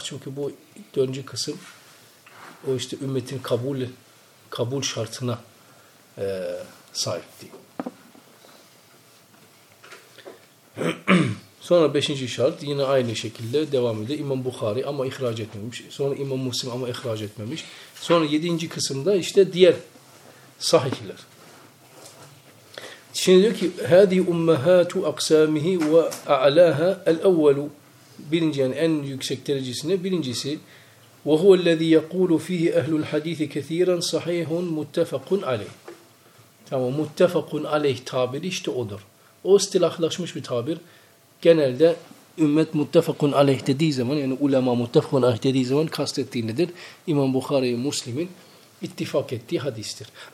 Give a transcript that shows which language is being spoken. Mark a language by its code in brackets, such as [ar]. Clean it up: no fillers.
[tr] Çünkü bu dördüncü kısım o işte ümmetin kabul şartına sahip değil. Sonra beşinci şart yine aynı şekilde devam ediyor. İmam Bukhari ama ihraç etmemiş. Sonra İmam Müslim ama ihraç etmemiş. Sonra yedinci kısımda işte diğer sahihler. [ar] Şimdi diyor ki هذه أمهات أقسامه وأعلاها الأول [tr] birinci yani en yüksek derecesine birincisi [ar] وهو الذي يقول فيه أهل الحديث كثيرا صحيح متفق عليه. [tr] Tamam متفق عليه tabiri işte odur. O istilahlaşmış bir tabir. Genelde ümmet muttefakun aleyh dediği zaman, yani ulema muttefakun aleyh dediği zaman kastettiği nedir? İmam Bukhari'nin, Müslim'in ittifak ettiği hadistir.